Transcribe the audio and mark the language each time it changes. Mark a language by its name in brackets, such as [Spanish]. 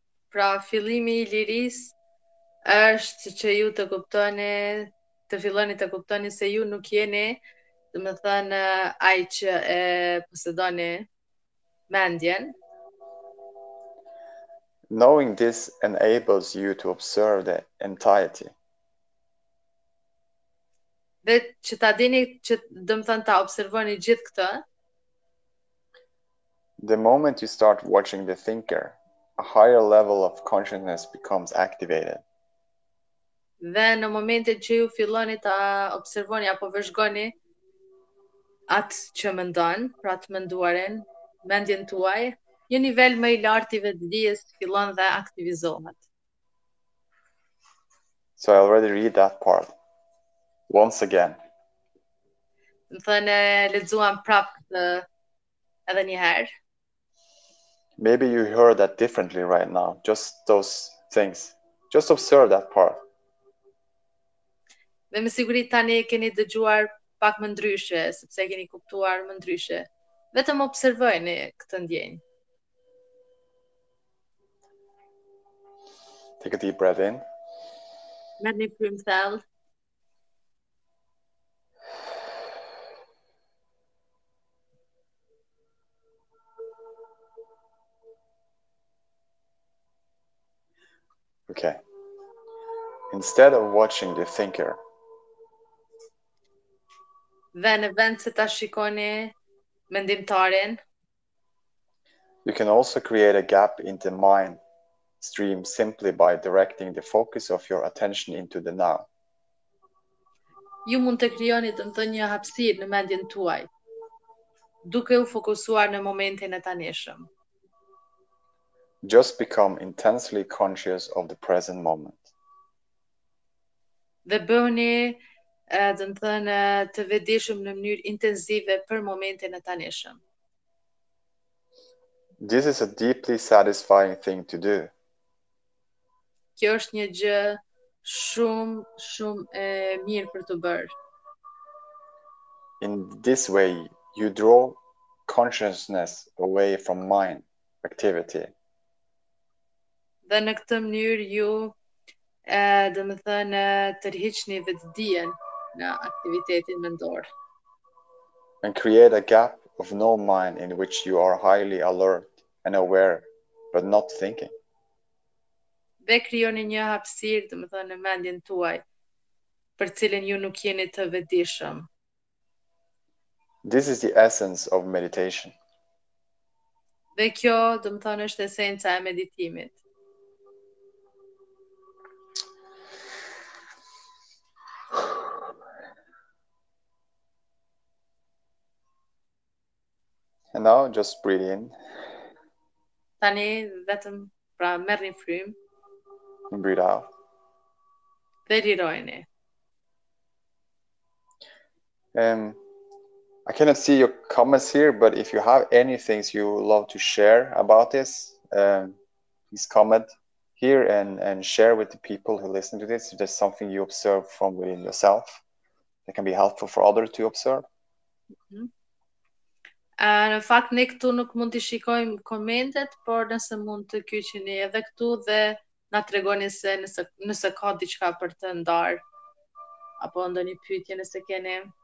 [Albanian] Pra fillimi i liris është që ju të kuptoni, të filloni të kuptoni se ju nuk jeni, dhe më thënë, ai që e posedoni mendjen. [English] Knowing this enables you to observe the entirety. [Albanian] Dhe që ta dini, që dëmëthën ta observoni gjithë këtë. [English] The moment you start watching the thinker, a higher level of consciousness becomes activated. [Albanian] Dhe në momentin që ju filloni ta observoni apo vëzhgoni atë që mendon, pra të menduarin, mendjen tuaj, një nivel më i lartë i vetëdijes fillon dhe aktivizohet. [English] So I already read that part. Once again. [Albanian] Më thënë, lexuam prapë këtë edhe një herë. [English] Maybe you heard that differently right now. Just those things. Just observe that part. [Albanian] Dhe me siguri tani keni dëgjuar pak më ndryshe, sepse keni kuptuar më ndryshe. Vetëm observojni këtë ndjenjë. [English] Take a deep breath in. [Albanian] Merr një frymë thellë. [English] Okay. Instead of watching the thinker. [Albanian] Dhe në vend se ta shikoni mendimtarin. [English] You can also create a gap in the mind stream simply by directing the focus of your attention into the now. [Albanian] Ju mund të krijoni domethënë një hapësirë në mendjen tuaj, duke u fokusuar në momentin e tanishëm. [English] Just become intensely conscious of the present moment. [Albanian] Dhe bëni, domethënë, të vetëdijshëm në mënyrë intensive për momentin e tanishëm. [English] This is a deeply satisfying thing to do. [Albanian] Kjo është një gjë shumë, shumë e mirë për të bërë. [English] In this way, you draw consciousness away from mind activity. [Albanian] Dhe në këtë mënyrë ju, dhe më thënë, të rihiqni vetëdijen në aktivitetin mendor. [English] And create a gap of no mind in which you are highly alert and aware, but not thinking. [Albanian] Dhe krijoni një hapësirë, do të thonë, në mendjen tuaj, për cilën ju nuk jeni të vetëdijshëm. [English] This is the essence of meditation. [Albanian] Dhe kjo, do të thonë, është esenca e meditimit. [English] And now just breathe in. [Albanian] Tani vetëm pra merrni frymë. [English] And breathe out. [Albanian] Dhe lirojni. [English] I cannot see your comments here, but if you have any things you love to share about this, please comment here and share with the people who listen to this. If there's something you observe from within yourself that can be helpful for others to observe. [Albanian] Në fakt ne këtu nuk mund të shikojmë komentet, por nëse mund të kyçini edhe këtu dhe na tregoni se nëse ka diçka për të ndarë apo ndonjë pyetje nëse keni.